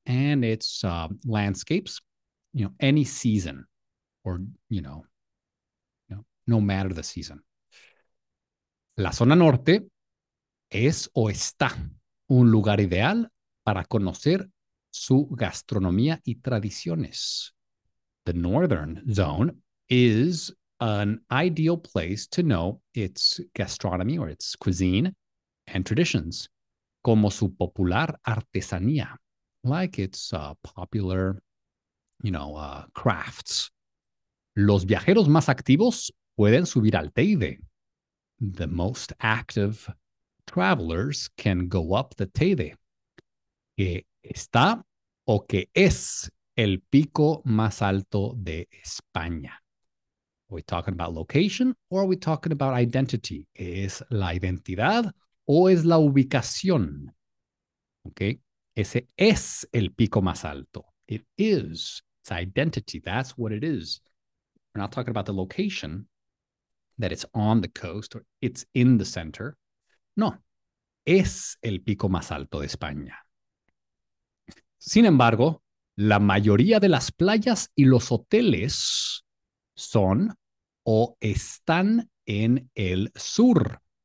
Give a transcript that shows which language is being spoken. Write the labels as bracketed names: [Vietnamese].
[English] And its landscapes, you know, any season or, you know, no matter the season. [Spanish] La zona norte es o está un lugar ideal para conocer su gastronomía y tradiciones. [English] The northern zone is an ideal place to know its gastronomy or its cuisine and traditions, [Spanish] como su popular artesanía, [English] like its popular, crafts. [Spanish] Los viajeros más activos pueden subir al Teide. [English] The most active travelers can go up the Teide, [Spanish] que está o que es el pico más alto de España. [English] Are we talking about location or are we talking about identity? [Spanish] ¿Es la identidad o es la ubicación? Okay. Ese es el pico más alto. [English] It is. It's identity. That's what it is. We're not talking about the location, that it's on the coast or it's in the center. [Spanish] No. Es el pico más alto de España. Sin embargo, la mayoría de las playas y los hoteles son o están en el sur.